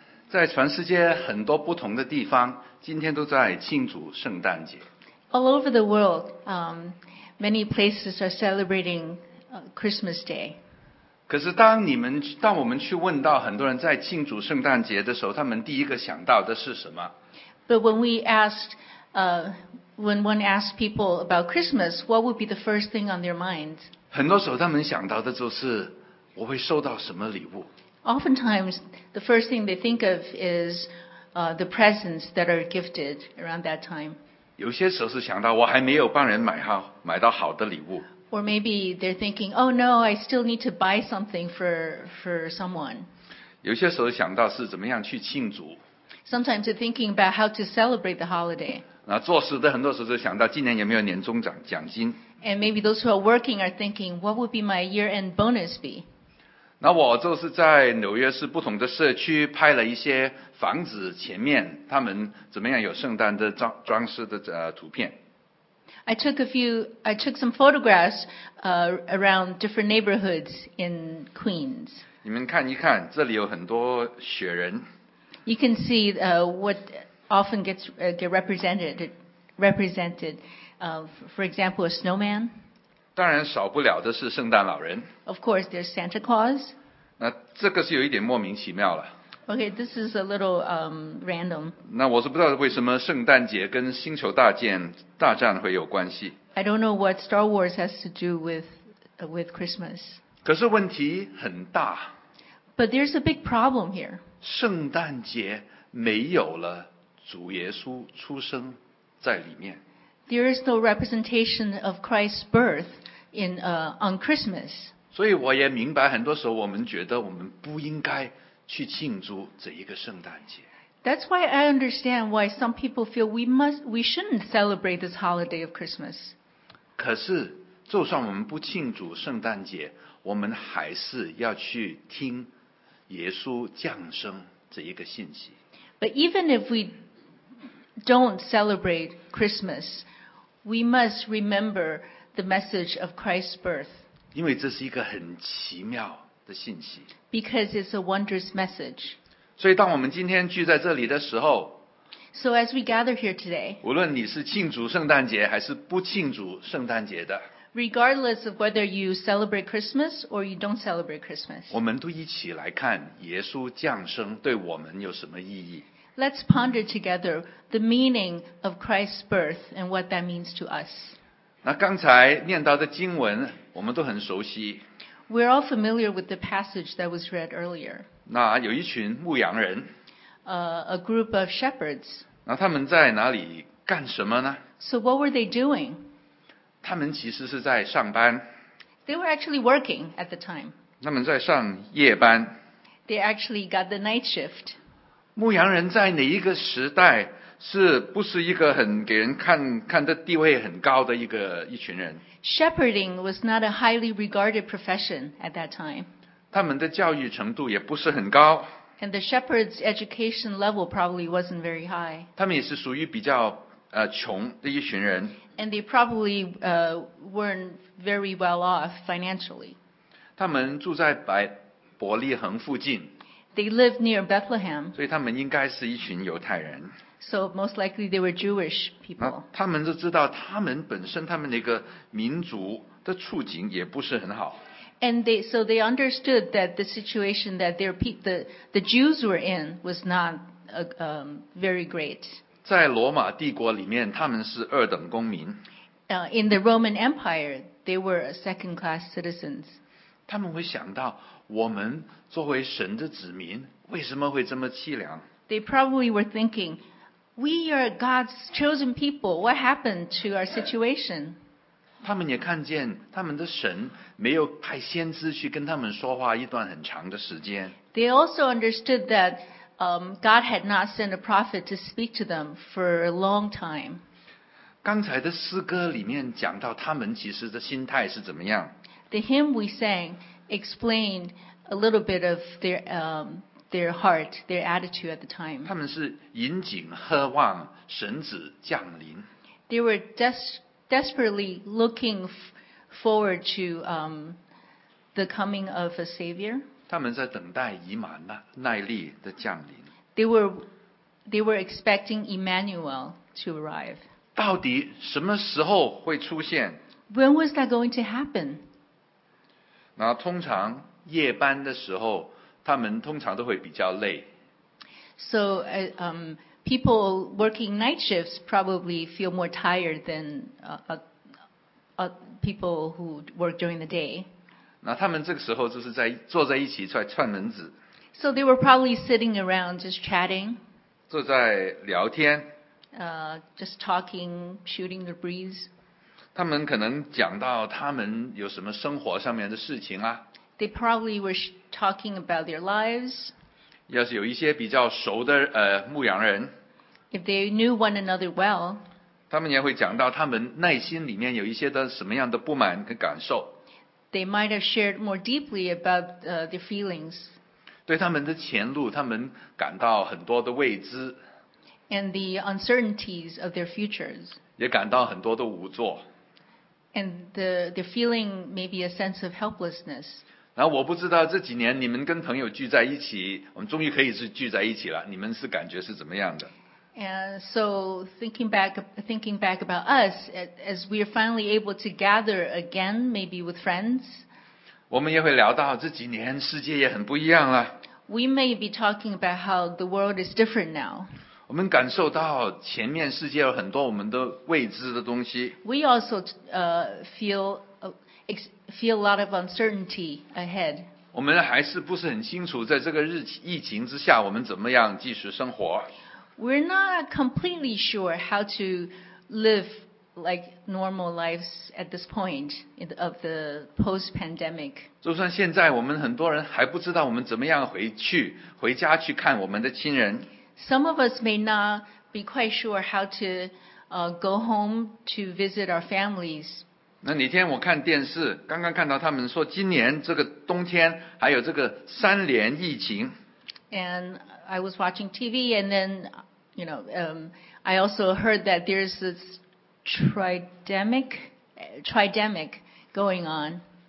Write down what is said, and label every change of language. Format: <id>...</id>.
<zh>在全世界很多不同的地方，今天都在庆祝圣诞节。</zh> <en>All over the world, many places are celebrating Christmas Day.</en> <zh>可是当我们去问到很多人在庆祝圣诞节的时候，他们第一个想到的是什么？</zh> <en>But when we asked, when one asked people about Christmas, what would be the first thing on their minds?</en> <zh>很多时候他们想到的就是我会收到什么礼物。</zh> <en>Oftentimes, the first thing they think of is the presents that are gifted around that time.</en> <zh>有些时候是想到我还没有帮人买到好的礼物。</zh> <en>Or maybe they're thinking, oh no, I still need to buy something for someone.</en> <zh>有些时候想到是怎么样去庆祝。</zh> <en>Sometimes they're thinking about how to celebrate the holiday.</en> <zh>那做事的很多时候就想到今年有没有年终奖金。</zh> <en>And maybe those who are working are thinking, what would be my year-end bonus be?</en> <zh>那我就是在纽约市不同的社区拍了一些房子前面，他们怎么样有圣诞的装饰的图片。</zh> <en>I took some photographs around different neighborhoods in Queens.</en> <zh>你们看一看，这里有很多雪人。</zh> <en>You can see what often get represented. For example, a snowman.</en> <zh>当然少不了的是圣诞老人。</zh> <en>Of course, there's Santa Claus.</en> <zh>那这个是有一点莫名其妙了。</zh> <en>Okay, this is a little random.</en> <zh>那我是不知道为什么圣诞节跟星球大战会有关系。</zh> <en>I don't know what Star Wars has to do with Christmas.</en> <zh>可是问题很大。</zh> <en>But there's a big problem here.</en> <zh>圣诞节没有了主耶稣出生在里面。</zh> <en>There is no representation of Christ's birth in, on Christmas.</en> <zh>所以我也明白很多时候我们觉得我们不应该去庆祝这一个圣诞节。</zh> <en>That's why I understand why some people feel we shouldn't celebrate this holiday of Christmas.</en> <zh>可是就算我们不庆祝圣诞节，我们还是要去听耶稣降生这一个信息。</zh> <en>But even if we don't celebrate Christmas, we must remember the message of Christ's birth.</en> <zh>因为这是一个很奇妙的信息。</zh> <en>Because it's a wondrous message.</en> <zh>所以当我们今天聚在这里的时候，</zh> <en>So as we gather here today,</en> <zh>无论你是庆祝圣诞节还是不庆祝圣诞节的，</zh> <en>Regardless of whether you celebrate Christmas or you don't celebrate Christmas,</en> <zh>我们都一起来看耶稣降生对我们有什么意义。</zh> <en>Let's ponder together the meaning of Christ's birth and what that means to us.</en> <zh>那刚才念到的经文我们都很熟悉。</zh> <en>We're all familiar with the passage that was read earlier.</en> <zh>那有一群牧羊人。</zh> <en>A group of shepherds.</en> <zh>那他们在哪里干什么呢？</zh> <en>So what were they doing?</en> <zh>他们其实是在上班。</zh> <en>They were actually working at the time.</en> <zh>他们在上夜班。</zh> <en>They actually got the night shift.</en> <zh>牧羊人在哪一个时代是不是一个很给人看的地位很高的一群人？</zh> <en>Shepherding was not a highly regarded profession at that time.</en> <zh>他们的教育程度也不是很高。</zh> <en>And the shepherd's education level probably wasn't very high.</en> <zh>他们也是属于比较穷的一群人。</zh> <en>And they probably weren't very well off financially.</en> <zh>他们住在伯利恒附近。</zh> <en>They lived near Bethlehem.</en> <zh>所以他们应该是一群犹太人。</zh> <en>So most likely they were Jewish people.</en> <zh>他们就知道他们本身他们那个民族的处境也不是很好。</zh> <en>And they understood that the situation that the Jews were in was not very great.</en> <zh>在罗马帝国里面他们是二等公民。</zh> <en>In the Roman Empire, they were second class citizens.</en> <zh>他们会想到我们作为神的子民为什么会这么凄凉。</zh> <en>They probably were thinking, we are God's chosen people, what happened to our situation?</en> <zh>他们也看见他们的神没有派先知去跟他们说话一段很长的时间。</zh> <en>They also understood that God had not sent a prophet to speak to them for a long time.</en> <zh>刚才的诗歌里面讲到他们其实的心态是怎么样。</zh> <en>The hymn we sang explained a little bit of their heart, their attitude at the time.</en> <zh>他们是引颈渴望神子降临。</zh> <en>They were desperately looking forward to the coming of a savior.</en> <zh>他们在等待以马内利的降临。</zh> <en>They were expecting Emmanuel to arrive.</en> <zh>到底什么时候会出现？</zh> <en>When was that going to happen?</en> <zh>那通常夜班的时候，他们通常都会比较累。</zh> <en>So, people working night shifts probably feel more tired than people who work during the day.</en> <zh>那他们这个时候就是在坐在一起在串门子。</zh> <en>So they were probably sitting around just chatting.</en> <zh>坐在聊天。</zh> <en>Just talking, shooting the breeze.</en> <zh>他们可能讲到他们有什么生活上面的事情啊。</zh> <en>They probably were talking about their lives.</en> <zh>要是有一些比较熟的牧羊人。</zh> <en>If they knew one another well.</en> <zh>他们也会讲到他们内心里面有一些的什么样的不满和感受。</zh> <en>They might have shared more deeply about their feelings.</en> <zh>对他们的前路，他们感到很多的未知。</zh> <en>And the uncertainties of their futures.</en> <zh>也感到很多的无助。</zh> <en>And the feeling maybe a sense of helplessness.</en> <zh>然后我不知道这几年你们跟朋友聚在一起，我们终于可以是聚在一起了，你们是感觉是怎么样的？</zh> <en>And so thinking back about us, as we are finally able to gather again, maybe with friends.</en> <zh>我们也会聊到这几年世界也很不一样了。</zh> <en>We may be talking about how the world is different now.</en> <zh>我们感受到前面世界有很多我们的未知的东西。</zh> <en>We also feel a lot of uncertainty ahead.</en> <zh>我们还是不是很清楚在这个疫情之下我们怎么样继续生活。</zh> <en>We're not completely sure how to live like normal lives at this point of the post-pandemic.</en> <zh>就算现在我们很多人还不知道我们怎么样回家去看我们的亲人。</zh> <en>Some of us may not be quite sure how to go home to visit our families.</en> <zh>那哪天我看电视，刚刚看到他们说今年这个冬天还有这个三连疫情。</zh> <en>And I was watching TV, and then, you know, I also heard that there's this tridemic going on.</en>